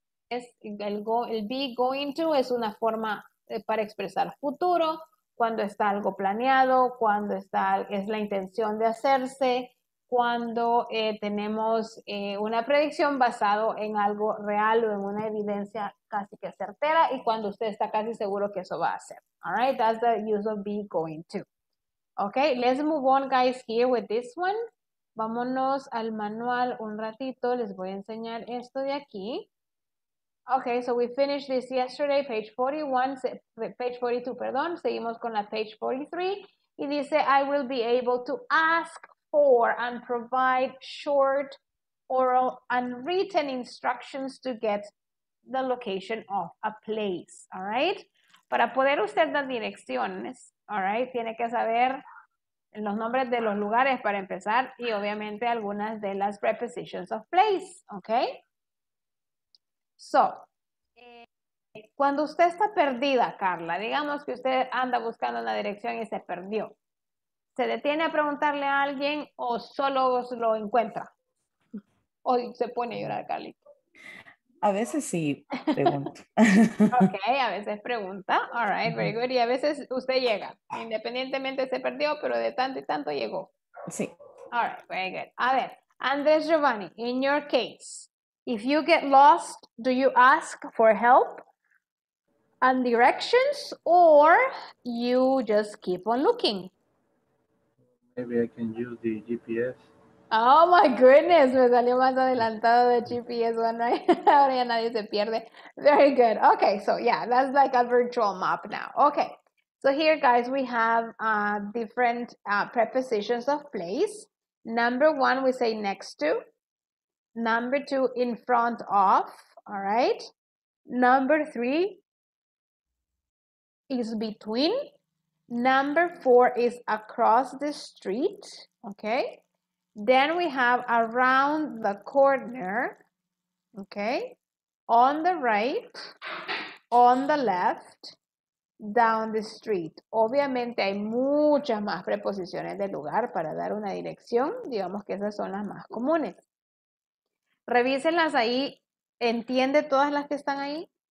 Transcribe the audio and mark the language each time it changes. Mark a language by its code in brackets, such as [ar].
[es] Es el be going to es una forma para expresar futuro, cuando está algo planeado, cuando está, es la intención de hacerse, cuando tenemos una predicción basado en algo real o en una evidencia casi que certera, y cuando usted está casi seguro que eso va a ser. [en] All right, that's the use of be going to. Okay, let's move on, guys, here with this one. [es] Vámonos al manual un ratito. Les voy a enseñar esto de aquí. [en] Okay, so we finished this yesterday, page 41, page 42, [es] perdón. Seguimos con la page 43. Y dice, [en] I will be able to ask for and provide short oral and written instructions to get the location of a place. All right? [es] Para poder usted dar direcciones, [en] all right, [es] tiene que saber los nombres de los lugares para empezar y obviamente algunas de las [en] prepositions of place, [es] ¿ok? So, cuando usted está perdida, Carla, digamos que usted anda buscando una dirección y se perdió, ¿se detiene a preguntarle a alguien o solo lo encuentra? ¿O se pone a llorar, Carlito? A veces sí, pregunto. Ok, a veces pregunta. [en] All right, very good. [es] Y a veces usted llega. Independientemente se perdió, pero de tanto y tanto llegó. Sí. [en] All right, very good. [es] A ver, [en] Andrés Giovanni, in your case, if you get lost, do you ask for help and directions or you just keep on looking? Maybe I can use the GPS. Oh my goodness, [es] me salió más adelantado de GPS, bueno, ahora ya nadie se pierde. [en] Very good. Okay, so yeah, that's like a virtual map now. Okay, so here guys, we have different prepositions of place. Number one, we say next to. Number two, in front of, all right? Number three is between. Number four is across the street, okay? Then we have around the corner, okay, on the right, on the left, down the street. [es] Obviamente hay muchas más preposiciones de lugar para dar una dirección. Digamos que esas son las más comunes. Revísenlas ahí. ¿Entiende todas las que están ahí?